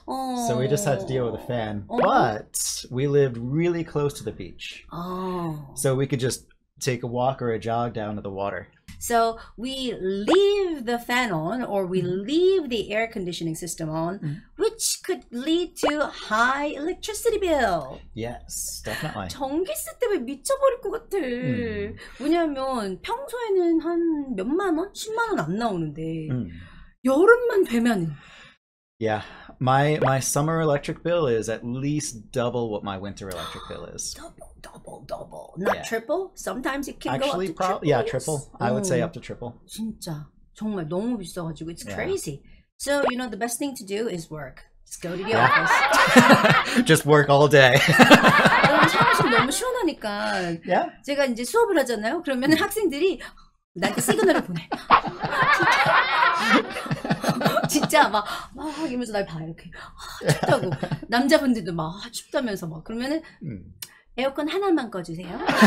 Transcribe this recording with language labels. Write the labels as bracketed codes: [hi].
[en] So we just had to deal with a fan. But we lived really close to the beach. So we could just take a walk or a jog down to the water. So we leave the fan on or we leave the air conditioning system on, which could lead to high electricity bill. Yes, definitely. [ko] 전기세 때문에 미쳐버릴 것 같아. 왜냐하면 평소에는 한 몇만 원? 10만 원 안 나오는데 여름만 되면. [en] Yeah, my summer electric bill is at least double what my winter electric bill is. Double. Not triple? Sometimes it can actually, go up to triple. Yeah, triple. I would say up to triple. [ko] 진짜 정말 너무 비싸가지고 [en] it's crazy. So you know the best thing to do is work. Just go to the office. Just work all day. [ko] 사무실 너무 시원하니까. [en] Yeah. [ko] 제가 이제 수업을 하잖아요. 그러면 학생들이 나한테 시그널을 보내. 진짜 막 이러면서 날 봐 이렇게 춥다고 남자분들도 막 춥다면서 막 그러면은 에어컨 하나만 꺼주세요.